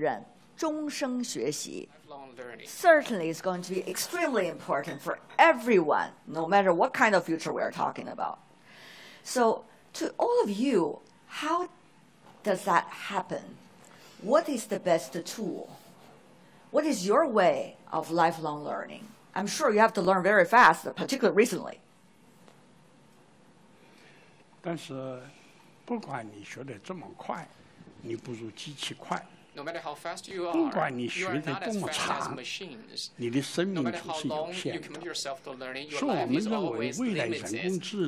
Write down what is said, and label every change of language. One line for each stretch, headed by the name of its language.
English: Ren,
Chinese: 终生学习,
English: certainly is going to be extremely important for everyone, no matter what kind of future we are talking about. So to all of you, how does that happen? What is the best tool? What is your way of lifelong learning? I'm sure you have to learn very fast, particularly recently.
Chinese: 但是不管你学得这么快，你不如机器快。
English: No matter how fast you are, you are not as fast as machines. No matter how long you commit yourself to learning, your life is always limited.